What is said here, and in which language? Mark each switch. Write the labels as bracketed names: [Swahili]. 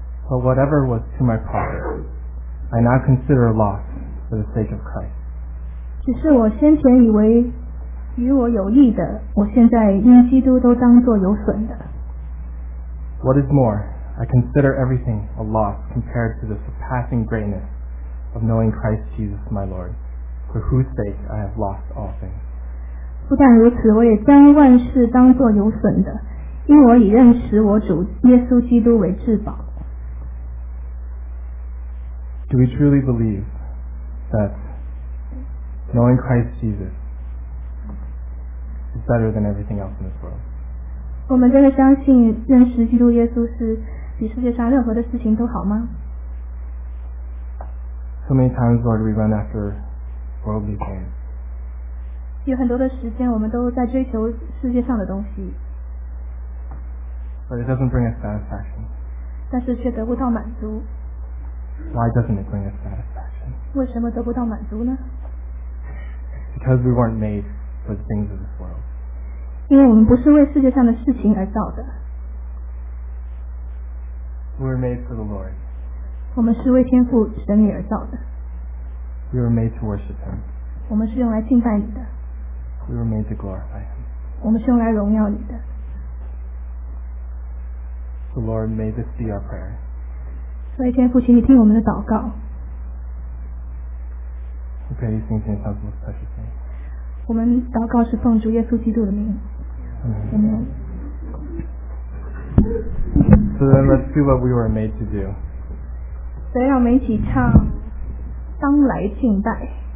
[English] But whatever was to my profit, I now consider loss for the sake of Christ. [Chinese] 只是我先前以为与我有益的，我现在因基督都当作有损的。 [English] What is more, I consider everything a loss compared to the surpassing greatness of knowing Christ Jesus my Lord, for whose sake I have lost all things. [Chinese] 不但如此，我也将万事当作有损的，因我已认识我主耶稣基督为至宝。 [English] Do we truly believe that knowing Christ Jesus is better than everything else in this world? [Chinese] 我们真的相信认识基督耶稣是比世界上任何的事情都好吗? [English] So many times, Lord, we run after worldly things. [Chinese] 有很多的时间我们都在追求世界上的东西。 [English] But it doesn't bring us satisfaction. [Chinese] 但是却得不到满足。 [English] Why doesn't it bring us satisfaction? [Chinese] 为什么得不到满足呢? [English] Because we weren't made for the things of this world. [Chinese] 因为我们不是为世界上的事情而造的。 [English] We were made for the Lord. [Chinese] 我们是为天父神而造的。 [English] We were made to worship Him. [Chinese] 我们是用来敬拜你的。 [English] We were made to glorify Him. [Chinese] 我们是用来荣耀你的。 [English] So Lord, may this be our prayer. [Chinese] 所以天父，请你听我们的祷告。 [English] We pray these things in the most precious name. [Chinese] 我们祷告是奉主耶稣基督的名。 [English] Amen. So then let's do what we were made to do. [Chinese] 所以让我们一起唱当来敬拜。